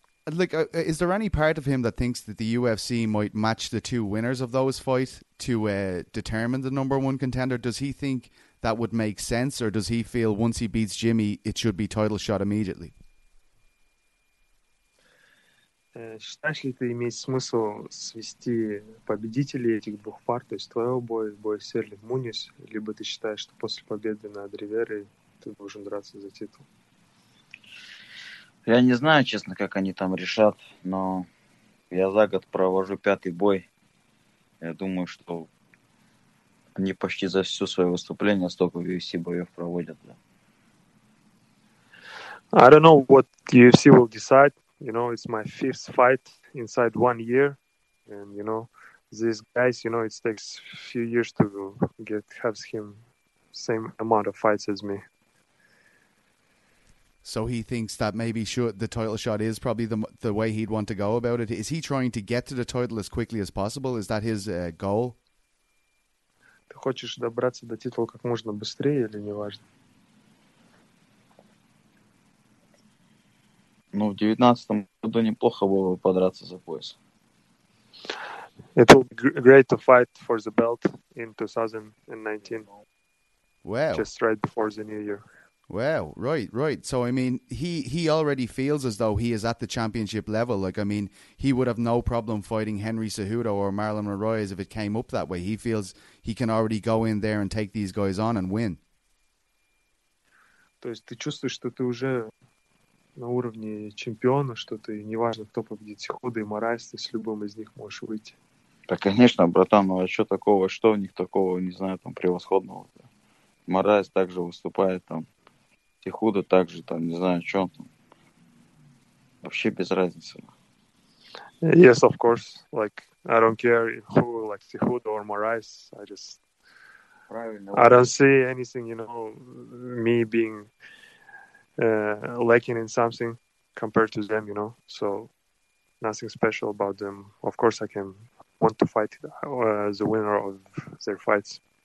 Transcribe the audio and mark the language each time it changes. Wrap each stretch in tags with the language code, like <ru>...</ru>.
<en>Like, is there any part of him that thinks that the UFC might match the two winners of those fights to determine the number one contender? Does he think that would make sense, or does he feel once he beats Jimmy, it should be title shot immediately?</en> <ru>Считаешь ли ты иметь смысл свести победителей этих двух пар, то есть твоего боя, боя Серли Мунис, либо ты считаешь, что после победы над Риверой ты должен драться за титул? Я не знаю, честно, как они там решат, но я за год провожу пятый бой. Я думаю, что они почти за все свое выступление столько UFC боев проводят. Да.</ru> <en>I don't know what UFC will decide. You know, it's my fifth fight inside 1 year. And, you know, these guys, you know, it takes a few years to get have him same amount of fights as me. So he thinks that maybe should, the title shot is probably the way he'd want to go about it. Is he trying to get to the title as quickly as possible? Is that his goal?</en> <ru>Ты хочешь добраться до титула как можно быстрее или не важно? Ну, в 2019 году неплохо было бы подраться за пояс.</ru> <en>It will be great to fight for the belt in 2019. Wow. Just right before the new year. Wow, right. So, I mean, he already feels as though he is at the championship level. Like, I mean, he would have no problem fighting Henry Cejudo or Marlon Moraes if it came up that way. He feels he can already go in there and take these guys on and win.</en> <ru>То есть ты чувствуешь, что ты уже на уровне чемпиона, что ты, неважно, кто победит, Сихода и Морайс, ты с любым из них можешь выйти. Да, конечно, братан, ну а что такого, что у них такого, не знаю, там, превосходного? Морайс также выступает, там, Сихода также, там, не знаю, что он там. Вообще без разницы.</ru> <en>Yes, of course. Like, I don't care who, like, Сихода or Морайс, I just...</en> <ru>Правильно.</ru> <en>I don't see anything, you know, me being... lacking in something compared to them, you know. So nothing special about them. Of course, I can want to fight the winner of their fights.</en>